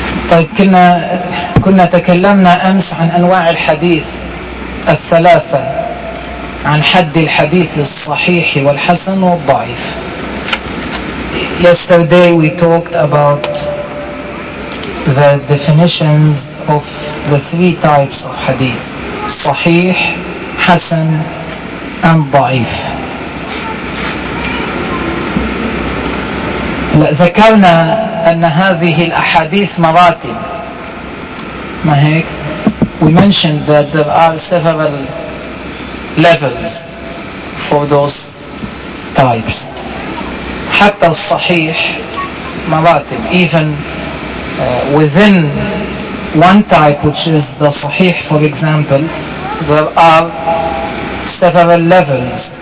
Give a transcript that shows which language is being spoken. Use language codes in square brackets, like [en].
[ar] طيب كنا تكلمنا امس عن انواع الحديث الثلاثة عن حد الحديث الصحيح والحسن والضعيف. [en] Yesterday we talked about the definition of the three types of hadith: صحيح, حسن, and ضعيف. [ar] ذكرنا أن هذه الأحاديث مراتب. ما هيك؟ [en] We mentioned that there are several levels for those types. [ar] حتى الصحيح مراتب. [en] Even within one type, which is the صحيح, for example, there are several levels.